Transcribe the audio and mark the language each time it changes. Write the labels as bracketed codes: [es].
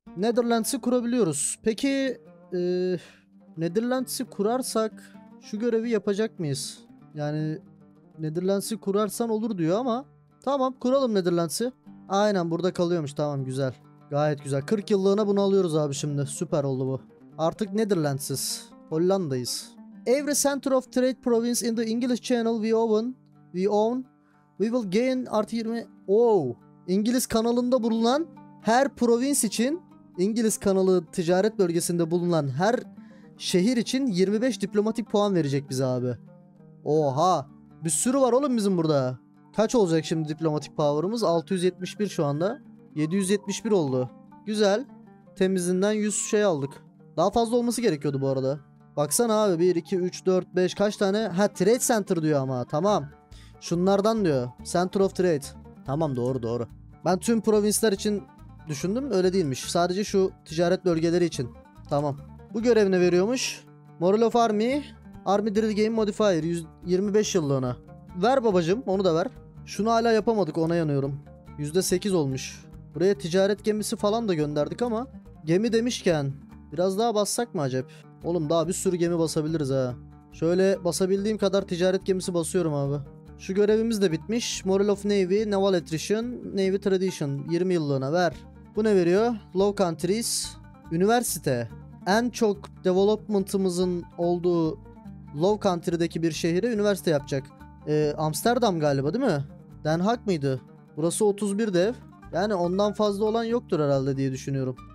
[tr] Netherlands'ı kurabiliyoruz. Peki Netherlands'ı kurarsak şu görevi yapacak mıyız? Yani Netherlands'ı kurarsan olur diyor ama. Tamam, kuralım Netherlands'ı. Aynen, burada kalıyormuş. Tamam, güzel. Gayet güzel. 40 yıllığına bunu alıyoruz abi şimdi. Süper oldu bu. Artık Netherlands'ız. Hollanda'yız. [en] Every center of trade province in the English Channel we own. We will gain artı 20. Wow. [tr] İngiliz kanalında bulunan her provins için, İngiliz kanalı ticaret bölgesinde bulunan her şehir için 25 diplomatik puan verecek bize abi. Oha. Bir sürü var oğlum bizim burada. Kaç olacak şimdi diplomatik power'ımız? 671 şu anda. 771 oldu. Güzel. Temizliğinden 100 şey aldık. Daha fazla olması gerekiyordu bu arada. Baksana abi, 1, 2, 3, 4, 5 kaç tane? Ha, trade center diyor ama. Tamam. Şunlardan diyor. Center of trade. Tamam, doğru. Ben tüm provinsler için düşündüm. Öyle değilmiş. Sadece şu ticaret bölgeleri için. Tamam. Bu görev ne veriyormuş? Moral of Army. Army Drill Game Modifier. 125 yıllığına. Ver babacım, onu da ver. Şunu hala yapamadık, ona yanıyorum. %8 olmuş. Buraya ticaret gemisi falan da gönderdik ama. Gemi demişken biraz daha bassak mı acep? Oğlum, daha bir sürü gemi basabiliriz ha. Şöyle basabildiğim kadar ticaret gemisi basıyorum abi. Şu görevimiz de bitmiş. [en] Moral of Navy, Naval Attrition, Navy Tradition. [tr] 20 yıllığına ver. Bu ne veriyor? Low Countries. Üniversite. En çok development'ımızın olduğu Low Country'deki bir şehire üniversite yapacak. Amsterdam galiba değil mi? Den Haag mıydı? Burası 31 dev. Yani ondan fazla olan yoktur herhalde diye düşünüyorum.